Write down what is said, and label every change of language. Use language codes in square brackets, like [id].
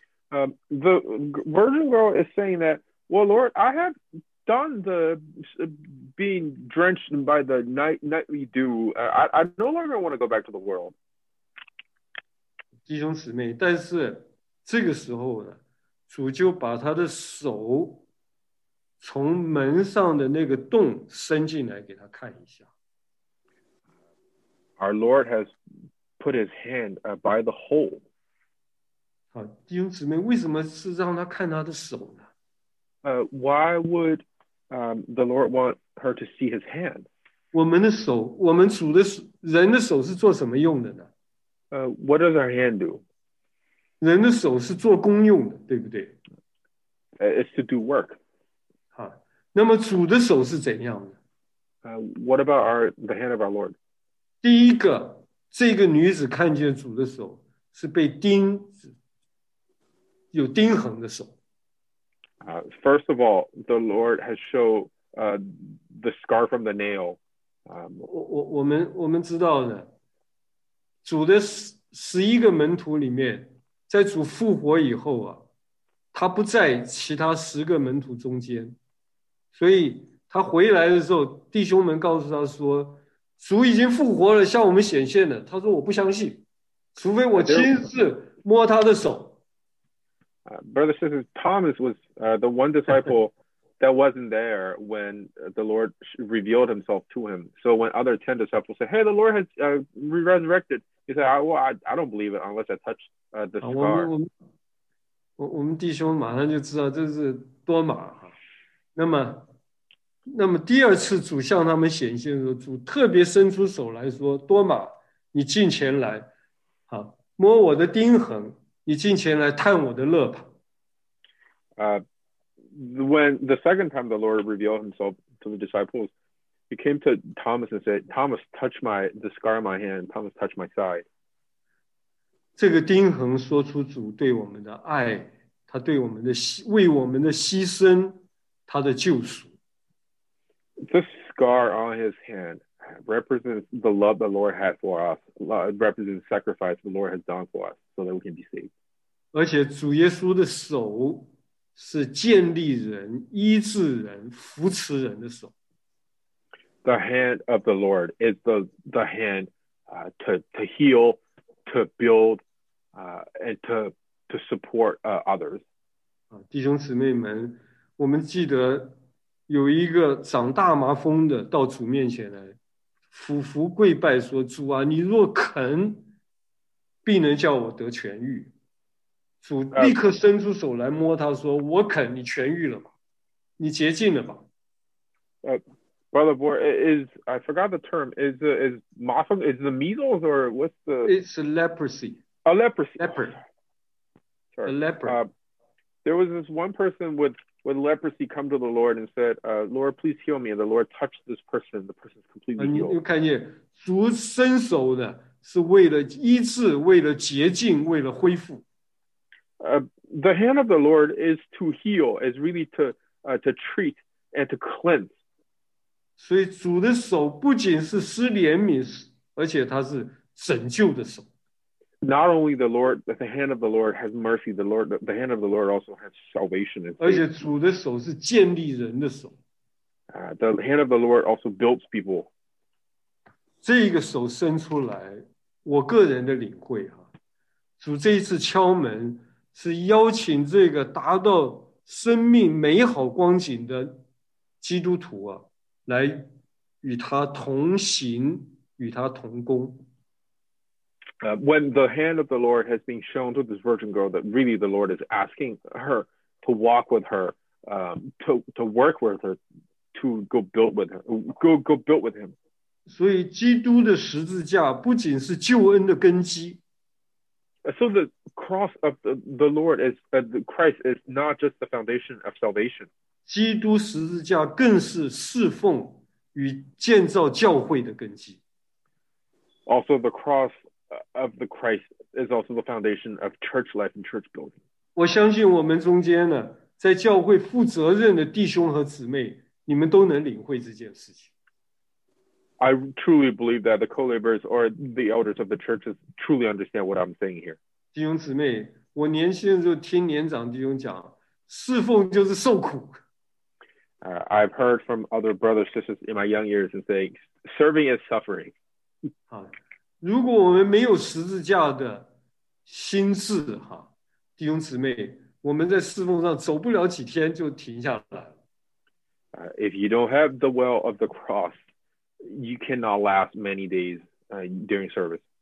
[en] The virgin girl is saying that, well, Lord, I have done the being drenched by the nightly dew. I no longer want to go back to the world. [zh] 弟兄姊妹，但是这个时候呢，主就把他的手从门上的那个洞伸进来给他看一下。 [en] Our Lord has put his hand by the hole. [zh] 好，弟兄姊妹，为什么是让他看他的手呢？ [en] Why would the Lord want her to see his hand? [zh] 我们的手，我们主的人的手是做什么用的呢？ [en] What does our hand do? [zh] 人的手是做工用的，对不对？ [en] It's to do work. [zh] 好，那么主的手是怎样的？ [en] What about the hand of our Lord? [zh] 第一个，这个女子看见主的手是被钉子。有钉痕的手。 [en] First of all, the Lord has shown the scar from the nail. [zh] 我们知道呢，主的十一个门徒里面，在主复活以后啊，他不在其他十个门徒中间，所以他回来的时候，弟兄们告诉他说，主已经复活了，向我们显现了。他说我不相信，除非我亲自摸他的手。 [en] Brother, sister, Thomas was the one disciple that wasn't there when the Lord revealed himself to him. So when other 10 disciples said, hey, the Lord has resurrected, he said, I don't believe it unless I touch the scar. [zh] 我们弟兄马上就知道这是多马。那么第二次主向他们显现的时候，主特别伸出手来说，多马，你近前来，好，摸我的钉痕。你进前来探我的乐吧。 [en] When the second time the Lord revealed himself to the disciples, he came to Thomas and said, Thomas, touch the scar of my hand, Thomas, touch my side. [zh] 这个钉痕说出主对我们的爱，他对我们的为我们的牺牲，他的救赎。 [en] This scar on his hand represents the love the Lord had for us, it represents sacrifice the Lord has done for us. So that we can be saved. [zh] 而且主耶稣的手是建立人、医治人、扶持人的手。 [en] The hand of the Lord is the hand to heal, to build, and to support others. [zh] 弟兄姊妹们，我们记得有一个长大麻风的到主面前来，俯伏跪拜说：“主啊，你若肯。” 必能叫我得痊愈。主立刻伸出手来摸他说，我肯，你痊愈了吗？你洁净了吗？ [en] Brother Boy, I forgot the term. Is Mafam, is the measles or what's the... It's a leprosy. A leprosy. Leper. Sorry. A leper. There was this one person with leprosy come to the Lord and said, Lord, please heal me. And the Lord touched this person. The person's completely healed. [zh] 你看见主伸手的是为了医治，为了洁净，为了恢复。 [en] The hand of the Lord is to heal, is really to treat and to cleanse. [zh] 所以主的手不仅是施怜悯，而且他是拯救的手。 [en] Not only the Lord, but the hand of the Lord has mercy, the hand of the Lord also has salvation. [zh] 而且主的手是建立人的手。 [en] The hand of the Lord also builds people. [zh] 这个手伸出来，我个人的领会啊，主这一次敲门是邀请这个达到生命美好光景的基督徒啊，来与他同行，与他同工。 [en] When the hand of the Lord has been shown to this virgin girl that really the Lord is asking her to walk with her, to work with her, to go build with her, go build with him. [zh] 所以基督的十字架不仅是救恩的根基。 [en] So the cross of the Lord is, Christ is not just the foundation of salvation. [zh] 基督十字架更是侍奉与建造教会的根基。 [en] Also the cross of the Christ is also the foundation of church life and church building. [zh] 我相信我们中间呢，在教会负责任的弟兄和姊妹，你们都能领会这件事情。 [en] I truly believe that the co-laborers or the elders of the churches truly understand what I'm saying here. [zh] 弟兄姊妹，我年轻的时候听年长弟兄讲，侍奉就是受苦。 [en] I've heard from other brothers and sisters in my young years and saying, serving is suffering. [zh] 如果我们没有十字架的心智，弟兄姊妹，我们在侍奉上走不了几天就停下来。 [en] If you don't have the well of the cross,You cannot last many days during service.